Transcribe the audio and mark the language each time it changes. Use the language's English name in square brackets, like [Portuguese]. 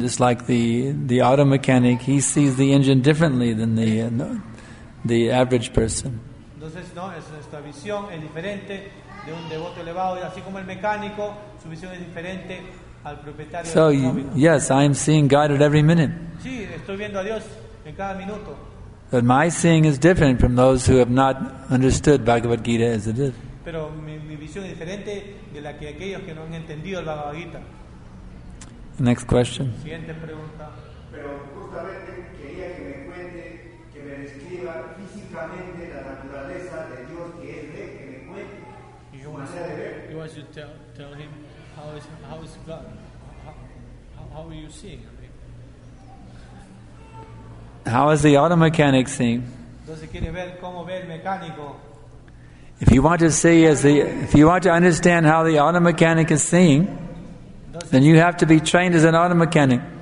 [English] Just like the auto mechanic, he sees the engine differently than the average person. [Spanish] Entonces, no, nuestra visión es diferente de un devoto elevado, así como el mecánico, su visión es diferente al propietario. [English] So yes, I am seeing God at every minute. [Spanish] Sí, estoy viendo a Dios en cada minuto. [English] But my seeing is different from those who have not understood Bhagavad Gita as it is. [Spanish] Pero mi visión es diferente de la que aquellos que no han entendido el Bhagavad Gita. [English] Next question. [Spanish] Siguiente pregunta. Pero justamente quería que me cuente, que me describa físicamente la naturaleza de Dios que es de, que me cuente. [English] You want to ver. You want to tell him how is God? How are you seeing? How is the auto mechanic seeing? [Spanish] Entonces quiere ver cómo ve el mecánico. [English] If you want to see as the, if you want to understand how the auto mechanic is seeing, then you have to be trained as an auto mechanic.